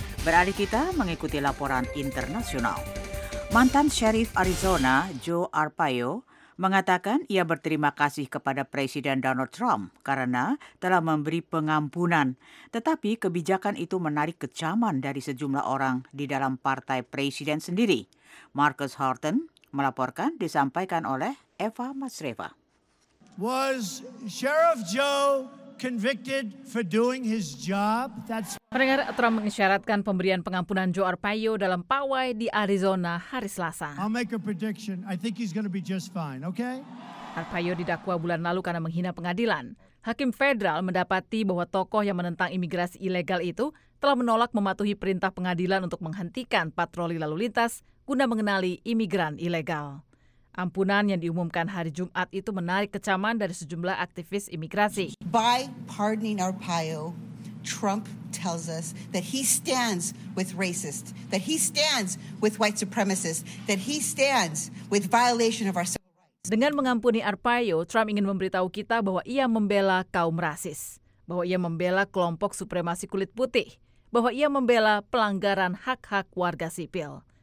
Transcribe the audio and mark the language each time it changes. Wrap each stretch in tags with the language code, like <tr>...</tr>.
<id>Beralih kita mengikuti laporan internasional. Mantan Sheriff Arizona Joe Arpaio mengatakan ia berterima kasih kepada Presiden Donald Trump karena telah memberi pengampunan. Tetapi kebijakan itu menarik kecaman dari sejumlah orang di dalam partai Presiden sendiri. Marcus Horton melaporkan disampaikan oleh Eva Masreva.</id> <en>Was Sheriff Joe convicted for doing his job?</en> <id>Pendengar, Trump mengisyaratkan pemberian pengampunan Joe Arpaio dalam pawai di Arizona hari Selasa.</id> <en>I'll make a prediction. I think he's going to be just fine, okay?</en> <id>Arpaio didakwa bulan lalu karena menghina pengadilan. Hakim federal mendapati bahwa tokoh yang menentang imigrasi ilegal itu telah menolak mematuhi perintah pengadilan untuk menghentikan patroli lalu lintas guna mengenali imigran ilegal. Ampunan yang diumumkan hari Jumat itu menarik kecaman dari sejumlah aktivis imigrasi.</id> <en>By pardoning Arpaio, Trump tells us that he stands with racists, that he stands with white supremacists, that he stands with violation of our civil rights.</en> <id>Dengan mengampuni Arpaio, Trump ingin memberitahu kita bahwa ia membela kaum rasis, bahwa ia membela kelompok supremasi kulit putih, bahwa ia membela pelanggaran hak-hak warga sipil.</id>